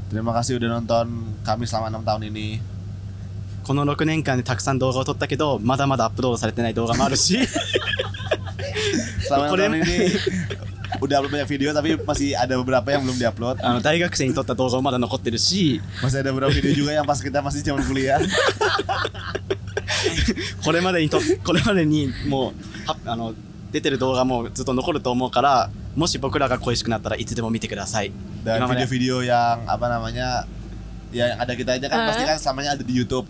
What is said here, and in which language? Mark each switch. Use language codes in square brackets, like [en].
[id] Terima kasih udah nonton kami selama 6 tahun ini. [ja] この6年間でたくさん動画を撮ったけど、まだまだアップロードされてない動画もあるし。 [id] selama 6 tahun ini udah upload banyak video tapi masih ada beberapa yang belum diupload. [ja] 大学生に撮った動画もまだ残ってるし。 [id] masih ada beberapa video juga yang pas kita masih zaman kuliah. [ja] これまでにもう出てる動画もずっと残ると思うから。もし僕らが恋しくなったらいつでも見てください。 [id] Dan video-video yang apa namanya ya yang ada kita aja kan pasti kan selamanya ada di YouTube.